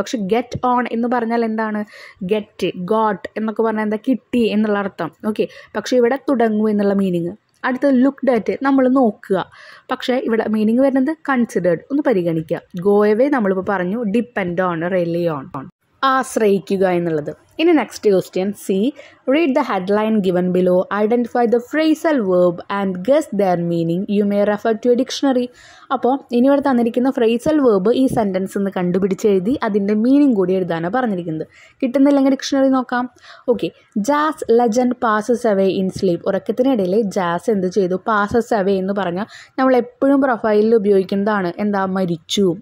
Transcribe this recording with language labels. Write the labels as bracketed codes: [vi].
[ml] പക്ഷേ get on എന്ന് പറഞ്ഞാൽ എന്താണ്, ഗെറ്റ്, ഗോട്ട് എന്നൊക്കെ പറഞ്ഞാൽ എന്താ, കിട്ടി എന്നുള്ള അർത്ഥം. ഓക്കെ, പക്ഷേ ഇവിടെ തുടങ്ങൂ എന്നുള്ള മീനിങ്. അടുത്തത് ലുക്ക്ഡ് അറ്റ്, നമ്മൾ നോക്കുക, പക്ഷേ ഇവിടെ മീനിങ് വരുന്നത് കൺസിഡേർഡ്, ഒന്ന് പരിഗണിക്കുക. ഗോ എവേ നമ്മളിപ്പോൾ പറഞ്ഞു, ഡിപ്പെൻഡ് ഓൺ, റെലി ഓൺ, ആശ്രയിക്കുക എന്നുള്ളത്. [en] In the next question, C, read the headline given below, identify the phrasal verb and guess their meaning. You may refer to a dictionary. [ml] അപ്പോൾ ഇനി ഇവിടെ തന്നിരിക്കുന്ന ഫ്രേസൽ വേർബ് ഈ sentence നിന്ന് കണ്ടുപിടിച്ച് എഴുതി അതിൻ്റെ മീനിങ് കൂടി എഴുതാനാണ് പറഞ്ഞിരിക്കുന്നത്. കിട്ടുന്നില്ലെങ്കിൽ ഡിക്ഷണറി നോക്കാം. Okay, [en] Jazz legend passes away in sleep. [ml] ഉറക്കത്തിനിടയിൽ jazz എന്ത് ചെയ്തു? പാസസ് അവേ എന്ന് പറഞ്ഞാൽ നമ്മൾ എപ്പോഴും പ്രൊഫൈലിൽ ഉപയോഗിക്കുന്നതാണ് എന്താ, മരിച്ചു.